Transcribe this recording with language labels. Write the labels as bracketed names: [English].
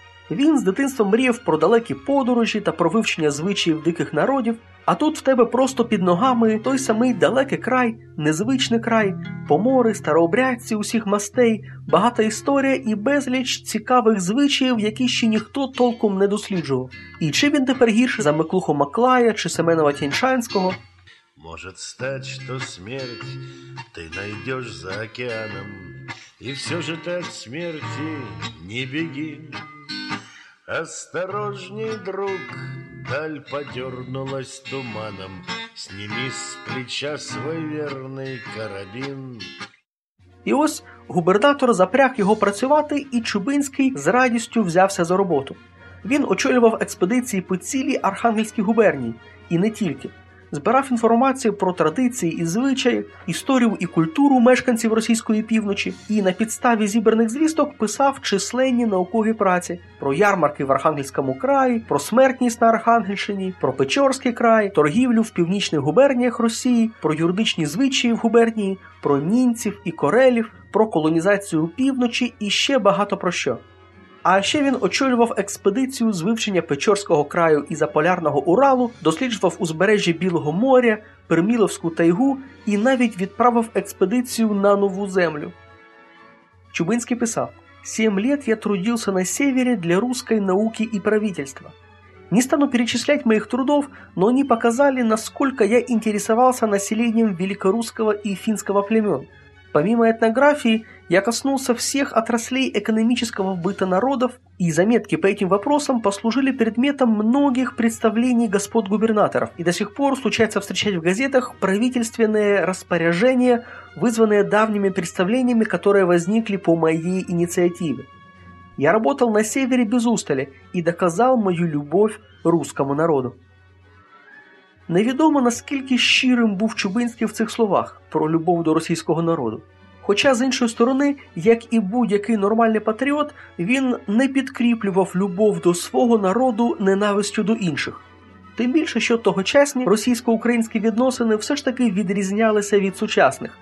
[Ukrainian] Він з дитинства мріяв про далекі подорожі та про вивчення звичаїв диких народів, а тут в тебе просто під ногами той самий далекий край, незвичний край, помори, старообрядці усіх мастей, багата історія і безліч цікавих звичаїв, які ще ніхто толком не досліджував. І чи він тепер гірше за Миклухо Маклая чи Семена Ватянчанського? [Russian] Може стати, що смерть ти знайдеш за океаном, і все ж ти від смерті не біги. Осторожней, друг, даль подернулась туманом. Сними с плеча свой верный карабин. [Ukrainian] І ось губернатор запряг його працювати, і Чубинський з радістю взявся за роботу. Він очолював експедиції по цілій Архангельській губернії, і не тільки. Збирав інформацію про традиції і звичаї, історію і культуру мешканців російської півночі і на підставі зібраних звісток писав численні наукові праці про ярмарки в Архангельському краї, про смертність на Архангельщині, про Печорський край, торгівлю в північних губерніях Росії, про юридичні звичаї в губернії, про німців і корелів, про колонізацію півночі і ще багато про що. А ще він очолював експедицію з вивчення Печорського краю і Заполярного Уралу, досліджував узбережжя Білого моря, Перміловську тайгу і навіть відправив експедицію на Нову землю. Чубинський писав: [Russian] «Сім лет я трудився на севері для русской науки і правительства. Не стану перечислять моїх трудов, но они показали, насколько я интересовался населением великорусского и финского племен. Помимо этнографии, я коснулся всех отраслей экономического быта народов, и заметки по этим вопросам послужили предметом многих представлений господ губернаторов, и до сих пор случается встречать в газетах правительственные распоряжения, вызванные давними представлениями, которые возникли по моей инициативе. Я работал на севере без устали и доказал мою любовь русскому народу». [Ukrainian] Невідомо, наскільки щирим був Чубинський в цих словах про любов до російського народу. Хоча, з іншої сторони, як і будь-який нормальний патріот, він не підкріплював любов до свого народу ненавистю до інших. Тим більше, що тогочасні російсько-українські відносини все ж таки відрізнялися від сучасних.